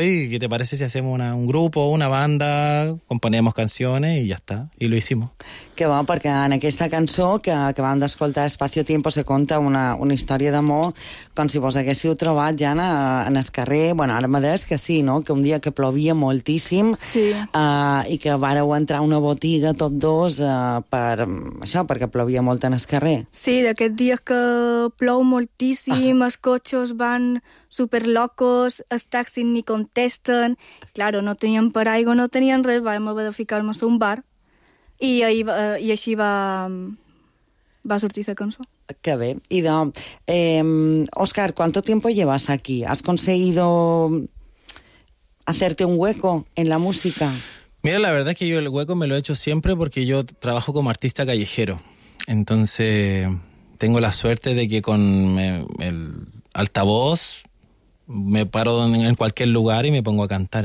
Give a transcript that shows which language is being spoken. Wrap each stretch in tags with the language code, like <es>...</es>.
<es>¿Y qué te parece si hacemos un grupo, una banda, componemos canciones y ya está? Y lo hicimos. Que bueno, porque en esta canción que acabamos de escuchar, Espacio Tiempo, se cuenta una historia de amor, como si</es> <ca>vos haguéssiu trobat, Jana, en el carrer, bueno, ara mateix que sí, ¿no?, que un día que plovía moltíssim,</ca> <es>sí.</es> <ca>I que vareu entrar a una botiga tots dos per això, perquè plovía molt en el carrer. Sí, d'aquests dies que plou moltíssim, els cotxes van super locos, els taxis ni contesten, claro, no tenien paraigua, no tenien res, vam haver de ficar-nos a un bar i així va sortir la cançó. Que bé.</ca> <es>Idò, Óscar, ¿cuánto tiempo llevas aquí? ¿Has conseguido hacerte un hueco en la música? Mira, la verdad es que yo el hueco me lo he hecho siempre porque yo trabajo como artista callejero. Entonces, tengo la suerte de que con el altavoz me paro en cualquier lugar y me pongo a cantar.</es>